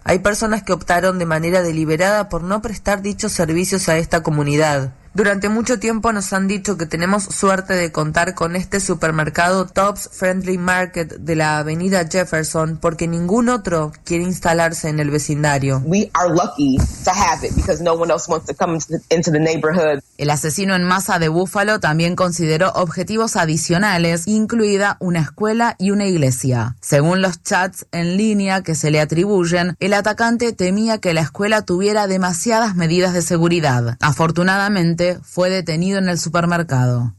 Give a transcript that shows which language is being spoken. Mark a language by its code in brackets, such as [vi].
[es] Hay personas que optaron de manera deliberada por no prestar dichos servicios a esta comunidad. Durante mucho tiempo nos han dicho que tenemos suerte de contar con este supermercado Tops Friendly Market de la avenida Jefferson porque ningún otro quiere instalarse en el vecindario. [en] We are lucky to have it because no one else wants to come into the neighborhood. [es] El asesino en masa de Buffalo también consideró objetivos adicionales, incluida una escuela y una iglesia. Según los chats en línea que se le atribuyen, el atacante temía que la escuela tuviera demasiadas medidas de seguridad. Afortunadamente, fue detenido en el supermercado.